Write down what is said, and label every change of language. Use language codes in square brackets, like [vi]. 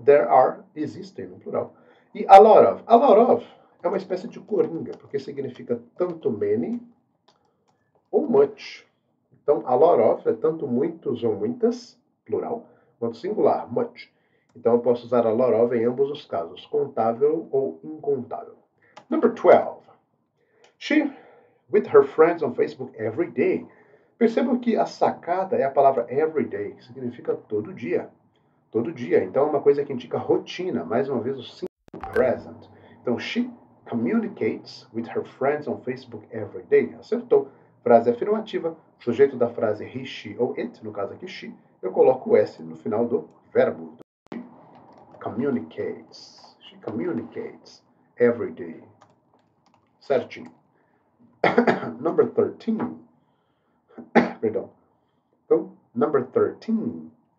[en] There are, [pt] existem, no plural. E a lot of. A lot of é uma espécie de coringa, porque significa tanto many ou much. Então, a lot of é tanto muitos ou muitas, plural, quanto singular, much. Então, eu posso usar a lot of em ambos os casos, contável ou incontável. [en] Number 12. She, with her friends on Facebook every day. [pt] Percebam que a sacada é a palavra every day, que significa todo dia. Todo dia. Então, é uma coisa que indica rotina. Mais uma vez, o single present. Então, [en] she communicates with her friends on Facebook every day. [pt] Acertou. Frase afirmativa. Sujeito da frase he, she ou it. No caso aqui, she. Eu coloco o S no final do verbo. [en] She communicates. She communicates every day. Certinho. Number 13. [pt] Perdão. Então, [en] number 13.